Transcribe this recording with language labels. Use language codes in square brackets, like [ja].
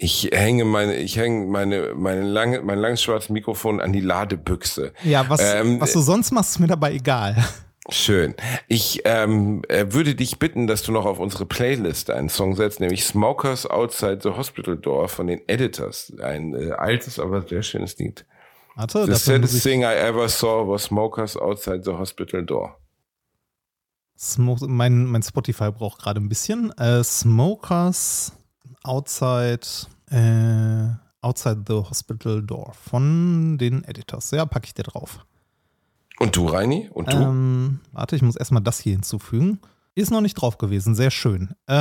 [de] Ich hänge mein langes schwarzes Mikrofon an die Ladebüchse. Ja, was du sonst machst, ist mir dabei egal. Schön. Ich würde dich bitten, dass du noch auf unsere Playlist einen Song setzt, nämlich Smokers Outside the Hospital Door von den Editors. Ein altes, aber sehr schönes Lied. [en] The saddest thing I ever saw was Smokers Outside the Hospital Door. [de] Mein Spotify braucht gerade ein bisschen. Smokers Outside the Hospital Door von den Editors. Ja, packe ich dir drauf. Und du, Reini? Und du? Warte, ich muss erstmal das hier hinzufügen. Ist noch nicht drauf gewesen. Sehr schön.